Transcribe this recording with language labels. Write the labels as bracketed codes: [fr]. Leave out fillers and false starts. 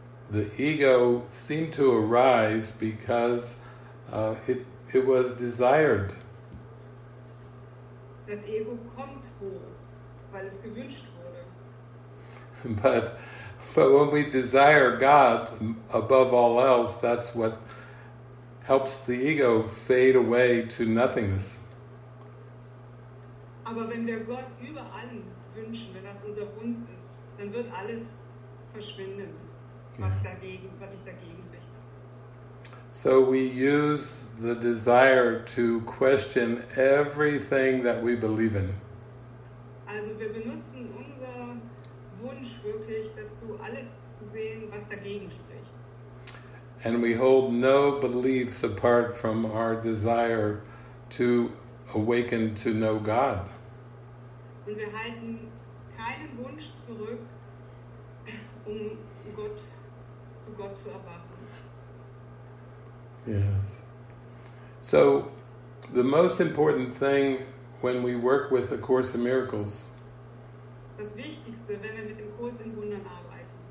[en] the ego seemed to arise because it was desired. [de] Das Ego kommt hoch, weil es gewünscht wurde. [en] But when we desire God above all else, that's what helps the ego fade away to nothingness. [de] Aber wenn wir Gott über allem wünschen, wenn das unser Wunsch ist, dann wird alles verschwinden, was ich dagegen möchte. [en] So we use the desire to question everything that we believe in. [de] Also wir benutzen unser Wunsch wirklich dazu, alles zu sehen, was dagegen spricht. [en] And we hold no beliefs apart from our desire to awaken to know God. [de] Und wir halten keinen Wunsch zurück, um Gott, zu Gott zu erwarten. [en] Yes. So, the most important thing when we work with A Course in Miracles, [de] das Wichtigste, wenn wir mit dem Kurs in Wundern arbeiten,